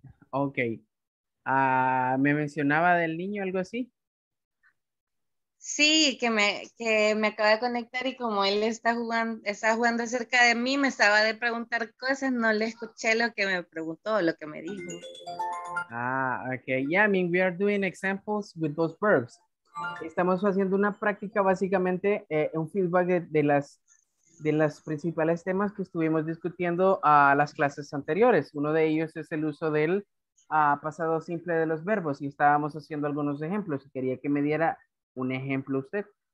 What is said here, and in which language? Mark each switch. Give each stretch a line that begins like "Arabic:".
Spanish: Ok. ¿Me mencionaba del niño algo así? Sí, que me acabé de conectar y como él está jugando cerca de mí, me estaba de preguntar cosas, no le escuché lo que me preguntó, lo que me dijo. Ah, ok.
English: Yeah, I mean, we are doing examples with those verbs.
Spanish: Estamos haciendo una práctica básicamente, un feedback de las principales temas que estuvimos discutiendo a las clases anteriores. Uno de ellos es el uso del pasado simple de los verbos y estábamos haciendo algunos ejemplos y quería que me diera un ejemplo usted.